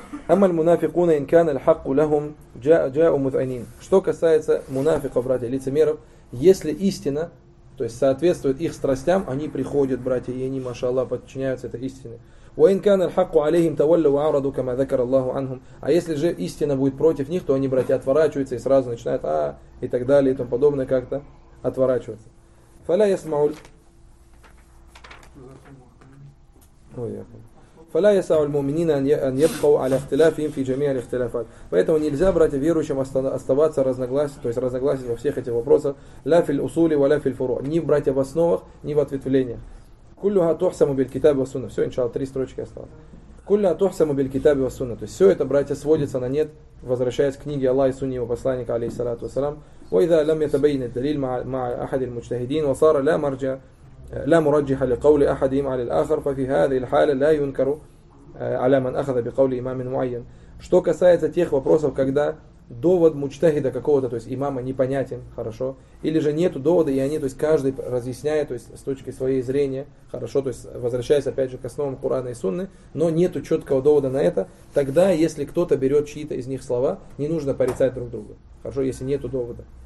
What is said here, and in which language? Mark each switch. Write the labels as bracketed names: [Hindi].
[Arabic] أما المنافقون إن كان الحق لهم جاءوا مذعنين. [Russian] Что касается мунафиков, братья, лицемеров, если истина, то есть соответствует их страстям, они приходят, братья, и они, машаллах, подчиняются этой истине. [Arabic] وإن كان الحق عليهم تولوا وأعرضوا كما ذكر الله عنهم. [Russian] А если же истина будет против них, то они, братья, отворачиваются и сразу начинают и так далее и тому подобное как-то отворачиваться. [Arabic] Фаля ясмауль. فلا يسع المؤمنين أن يبقوا على اختلافهم في جميع الاختلافات. [Russian] Поэтому нельзя, братья, верующим оставаться разногласить, то есть разногласить во всех этих вопросах. [Arabic] لا في الأصول ولا في الفروع. [Russian] Ни, братья, в основах, ни в ответвлениях. [Arabic] كلها تحسم بالكتاب والسنة. [Russian] Все, иншаллах, три строчки осталось. [Arabic] كلها تحسم بالكتاب والسنة. [Russian] То есть все это, братья, сводится на нет, возвращаясь к книге Аллаха и сунне его посланника, алейхиссалату вассалям. [Arabic] وإذا لم يتبين الدليل مع أحد المجتهدين وصار لا مرجع لا مرجح لقول أحدهم على الآخر ففي هذه الحالة لا ينكر على من أخذ بقول إمام معين. [Russian] Что касается тех вопросов, когда довод мучтахида какого-то, то есть имама, непонятен, хорошо, или же нету довода, и они, то есть каждый разъясняет, то есть с точки своей зрения, хорошо, то есть возвращаясь опять же к основам Курана и Сунны, но нету четкого довода на это, тогда, если кто-то берет чьи-то из них слова, не нужно порицать друг друга, хорошо, если нету довода.